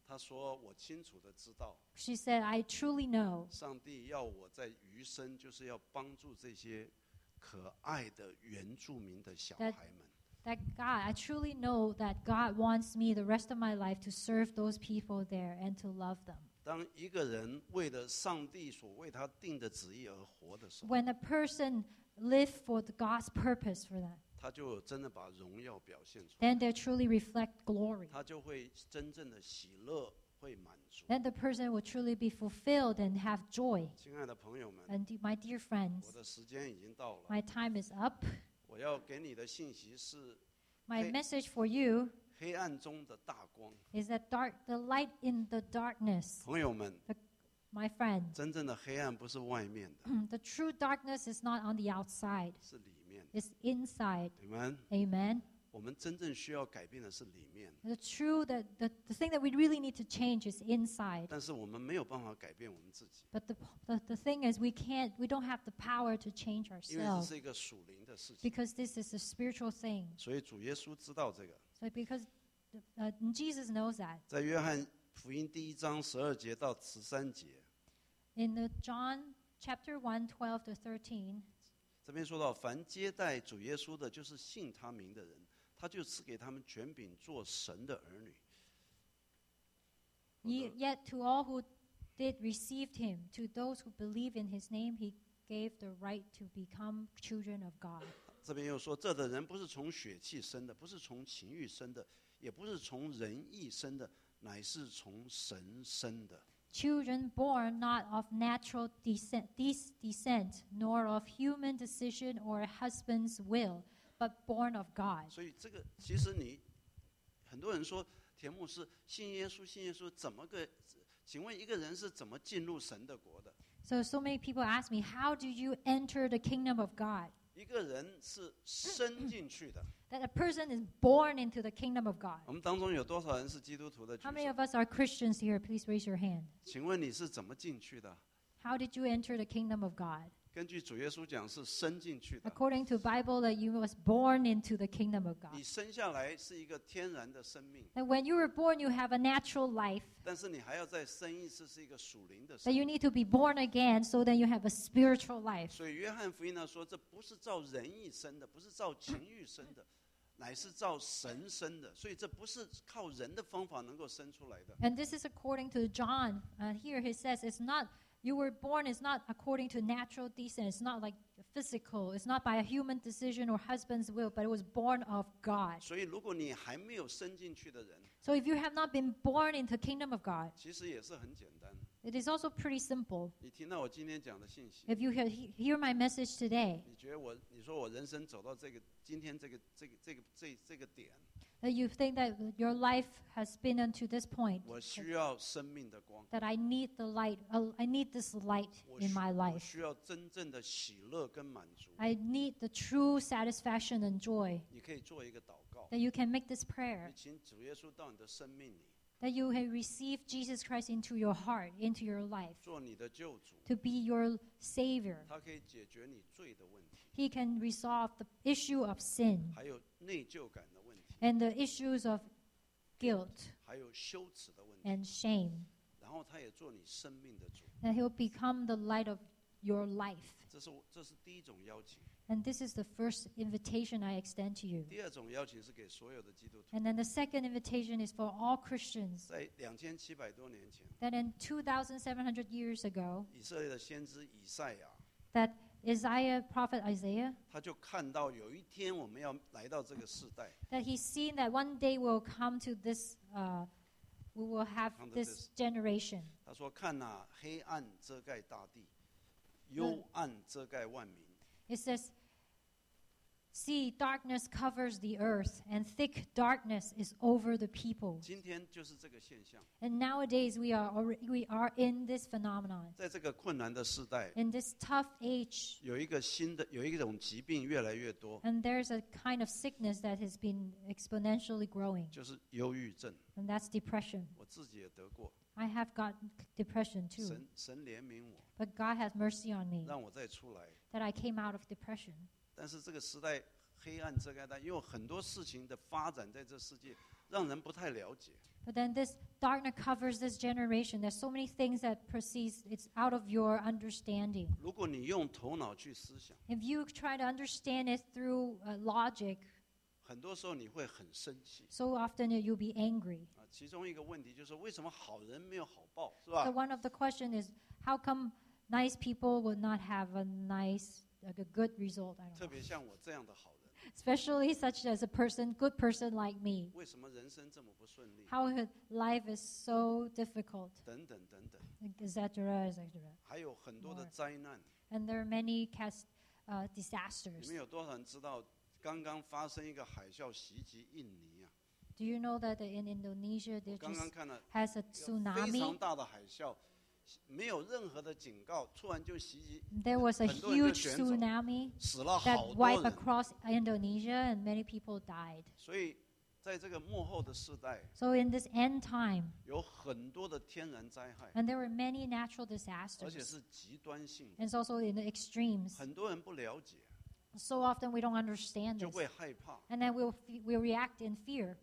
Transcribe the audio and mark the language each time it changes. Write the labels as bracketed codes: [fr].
[zh] 她说：“我清楚的知道。” [en] She said, "I truly know." [zh] 上帝要我在余生，就是要帮助这些。可爱的原住民的小孩们。 [en] That God, I truly know that God wants me the rest of my life to serve those people there and to love them. [zh] 当一个人为了上帝所为他定的旨意而活的时候 [en] ，When a person live for God's purpose for them, [zh] 他就真的把荣耀表现出来。 [en] Then they truly reflect glory. [zh] 他就会真正的喜乐，会满足。 [en] Then the person will truly be fulfilled and have joy. [zh] 亲爱的朋友们 [en] ，and my dear friends, [zh] 我的时间已经到了。 [en] My time is up. [zh] 我要给你的信息是 [en] ，My message for you. [zh] 黑暗中的大光 [en] is that dark, the light in the darkness. [zh] 朋友们 [en] my friend, [zh] 真正的黑暗不是外面的。 [en] The true darkness is not on the outside. [zh] 是里面。 [en] It's inside. Amen. Amen. [zh] 我们真正需要改变的是里面。 [en] The true that the thing that we really need to change is inside. [zh] 但是我们没有办法改变我们自己。 [en] But the thing is we don't have the power to change ourselves. [zh] 因为这是一个属灵的事情。 [en] Because this is a spiritual thing. [zh] 所以主耶稣知道这个。 [en] So because Jesus knows that. [zh] 在约翰福音第一章十二节到十三节。 [en] In the John chapter 1:12-13. [zh] 这边说到，凡接待主耶稣的，就是信他名的人。他就赐给他们权柄做神的儿女。 [en] Yet to all who did receive him, to those who believe in his name, he gave the right to become children of God. [zh] 这边又说，这的人不是从血气生的，不是从情欲生的，也不是从人意生的，乃是从神生的。 [en] Children born not of natural descent, nor of human decision or husband's will.But born of God. [zh] 所以这个其实你很多人说田牧师信耶稣，信耶稣怎么个？请问一个人是怎么进入神的国的？ [en] So many people ask me, how do you enter the kingdom of God? [zh] 一个人是生进去的。 [en] That a person is born into the kingdom of God. [zh] 我们当中有多少人是基督徒的？ [en] How many of us are Christians here? Please raise your hand. [zh] 请问你是怎么进去的？ [en] How did you enter the kingdom of God? [zh] 根据主耶稣讲是生进去的。 [en] According to Bible, that you was born into the kingdom of God. [zh] 你生下来是一个天然的生命。 [en] That when you were born, you have a natural life. [zh] 但是你还要再生一次，是一个属灵的生命。 [en] That you need to be born again, so then you have a spiritual life. [zh] 所以约翰福音呢说，这不是照人意生的，不是照情欲生的。乃是照神生的，所以这不是靠人的方法能够生出来的。 [en] And this is according to John. Here he says, it's not, you were born, it's not according to natural descent, it's not like physical, it's not by a human decision or husband's will, but it was born of God. [zh] 所以如果你还没有生进去的人， [en] So if you have not been born into the kingdom of God, [zh] 其实也是很简单。 [en] It is also pretty simple. [zh] 你听到我今天讲的信息， [en] If you hear my message today, [zh] 你觉得我，你说我人生走到这个今天这个这个这个这个、这个点， [en] that you think that your life has been unto this point. [zh] 我需要生命的光。 [en] That I need the light. I need this light in my life. [zh] 我需要真正的喜乐跟满足。 [en] I need the true satisfaction and joy. [zh] 你可以做一个祷告。 [en] That you can make this prayer. [zh] 你请主耶稣到你的生命里。 [en] That you have received Jesus Christ into your heart, into your life. [zh] 做你的救主。 [en] To be your savior. [zh] 他可以解决你罪的问题。 [en] He can resolve the issue of sin. [zh] 还有内疚感的问题。 [en] And the issues of guilt. [zh] 还有羞耻的问题。 [en] And shame. [zh] 然后他也做你生命的主。 [en] And he'll become the light of your life. [zh] 这是第一种邀请。 [en] And this is the first invitation I extend to you. [zh] 第二种邀请是给所有的基督徒。 [en] And then the second invitation is for all Christians. [zh] 在2700多年前。 [en] That in 2700 years ago. [zh] 以色列的先知以赛亚。 [en] That Isaiah, prophet Isaiah. [zh] 他就看到有一天我们要来到这个世代。 [en] That he seen that one day we'll come to this, we will have this generation. [zh] 他说看啊，黑暗遮盖大地，幽暗遮盖万民。 [en] It says, see, darkness covers the earth, and thick darkness is over the people. [zh] 今天就是这个现象。 [en] And nowadays, we are in this phenomenon. [zh] 在这个困难的时代， [en] in this tough age, [zh] 有一个新的，有一种疾病越来越多。 [en] And there's a kind of sickness that has been exponentially growing. [zh] 就是忧郁症。 [en] And that's depression. [zh] 我自己也得过。 [en] I have got depression too. [zh] 神怜悯我。 [en] But God has mercy on me. [zh] 让我再出来。 [en] That I came out of depression. [zh] 但是这个时代黑暗遮盖大，因为很多事情的发展在这世界让人不太了解。 [en] But then this darkness covers this generation. There's so many things that proceeds. It's out of your understanding. [zh] 如果你用头脑去思想， [en] If you try to understand it through logic, [zh] 很多时候你会很生气。 [en] So often you'll be angry. [zh] 其中一个问题就是为什么好人没有好报，是吧？ [en] So one of the question is how come Nice people would not have a nice, like a good result. I don't know. [zh] 特别像我这样的好人。 [en] Especially such as a person, good person like me. [zh] 为什么人生这么不顺利？ [en] How life is so difficult. [zh] 等等等等。 [en] Et cetera, et cetera. [zh] 还有很多的灾难。 [en] And there are many disasters. [zh] 你们有多少人知道刚刚发生一个海啸袭击印尼啊？ [en] Do you know that in Indonesia there just has a tsunami? [zh] 我刚刚看了一个非常大的海啸。没有任何的警告，突然就袭击。 [en] There was a huge tsunami that wiped across Indonesia, and many people died. [zh] 所以，在这个末后的世代 [en] ，So in this end time, [zh] 有很多的天然灾害 [en] ，and there were many natural disasters, [zh] 而且是极端性 [en] ，and it's also in the extremes. [zh] 很多人不了解 [en] ，So often we don't understand this, [zh] 就会害怕 [en] ，and then we'll react in fear,